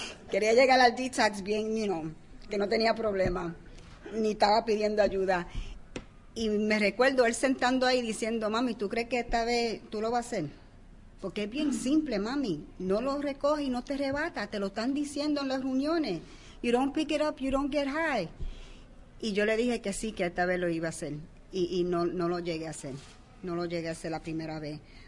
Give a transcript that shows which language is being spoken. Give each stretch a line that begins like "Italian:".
Spanish: Quería llegar al detox bien,
English: you know,
Spanish: que no tenía problema, ni estaba pidiendo ayuda. Y me recuerdo él sentando ahí diciendo, mami, ¿tú crees que esta vez tú lo vas a hacer? Porque es bien simple, mami. No lo recoges y no te arrebatas. Te lo están diciendo en las reuniones.
English: You don't pick it up, you don't get high.
Spanish: Y yo le dije que sí, que esta vez lo iba a hacer. Y no lo llegué a hacer. No lo llegué a hacer la primera vez.